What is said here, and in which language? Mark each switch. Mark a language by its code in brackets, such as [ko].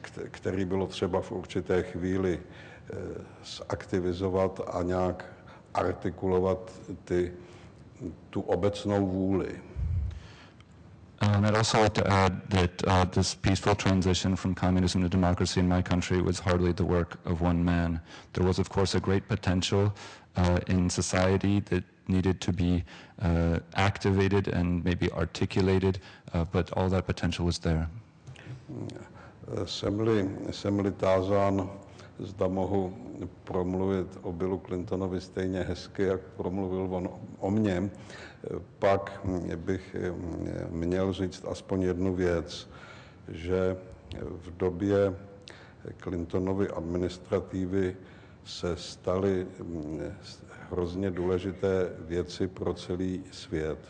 [cs] který bylo třeba v určité chvíli zaktivizovat a nějak artikulovat tu obecnou vůli. [en] And I'd also like to add that this peaceful transition from communism to democracy in my country was hardly the work of one man. There was, of course, a great potential in society that needed to be activated and maybe articulated, but all that potential was there. [cs] Jsem-li tázán, zda mohu promluvit o Billu Clintonovi stejně hezky, jak promluvil on o mně, pak bych měl říct aspoň jednu věc, že v době Clintonovy administrativy se staly hrozně důležité věci pro celý svět.